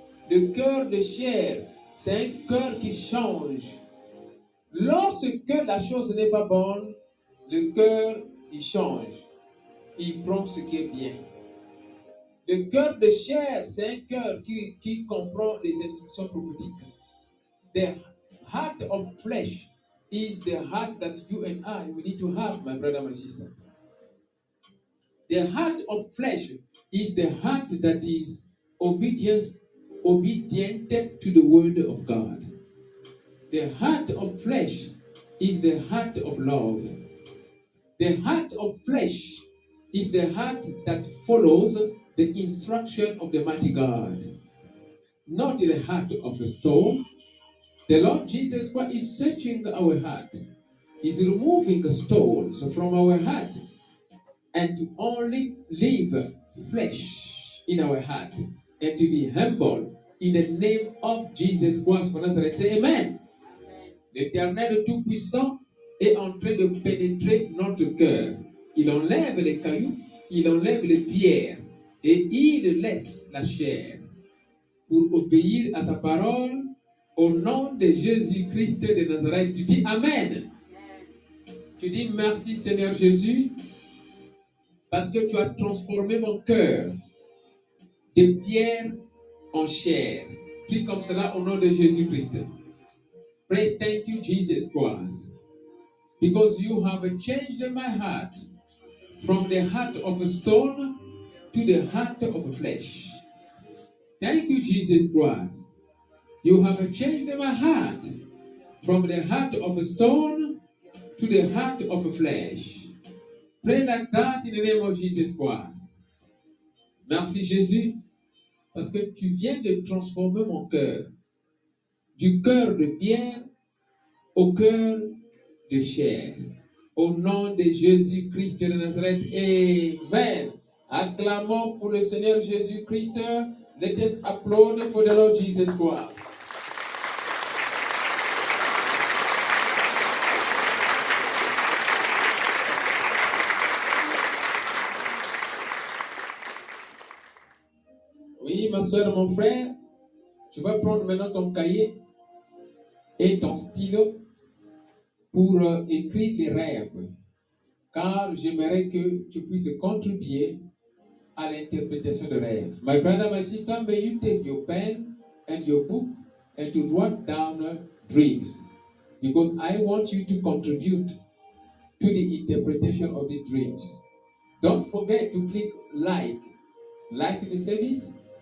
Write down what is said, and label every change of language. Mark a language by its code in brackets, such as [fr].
[fr] Le cœur de chair, c'est un cœur qui change. Lorsque la chose n'est pas bonne, le cœur, il change. Il prend ce qui est bien. Le cœur de chair, c'est un cœur qui comprend les instructions prophétiques. [en] The heart of flesh is the heart that you and I we need to have, my brother, my sister. The heart of flesh is the heart that is obedient to the word of God. The heart of flesh is the heart of love. The heart of flesh is the heart that follows the instruction of the mighty God, not the heart of the stone. The Lord Jesus Christ is searching our heart. He's removing stones from our heart and to only leave flesh in our heart and to be humble in the name of Jesus Christ for Nazareth. Say amen. [fr] L'Éternel tout-puissant est en train de pénétrer notre cœur. Il enlève les cailloux, il enlève les pierres et il laisse la chair pour obéir à sa parole au nom de Jésus-Christ de Nazareth. Tu dis amen. Tu dis merci Seigneur Jésus parce que tu as transformé mon cœur de pierre en chair. Prie comme cela au nom de Jésus-Christ. [en] Pray, thank you Jesus Christ because you have changed my heart from the heart of a stone to the heart of a flesh. Thank you, Jesus Christ. You have changed my heart from the heart of a stone to the heart of a flesh. Pray like that in the name of Jesus Christ. [fr] Merci, Jésus, parce que tu viens de transformer mon cœur du cœur de pierre au cœur de chair. Au nom de Jésus-Christ de Nazareth. Amen. Acclamons pour le Seigneur Jésus-Christ. [en] Let us applaud for the Lord Jesus Christ. [fr] Oui, ma soeur, mon frère, tu vas prendre maintenant ton cahier et ton stylo pour écrire les rêves, car j'aimerais que tu puisses contribuer à l'interprétation des rêves. [en] My brother, my sister, may you take your pen and your book and to write down dreams, because I want you to contribute to the interpretation of these dreams. Don't forget to click like the service.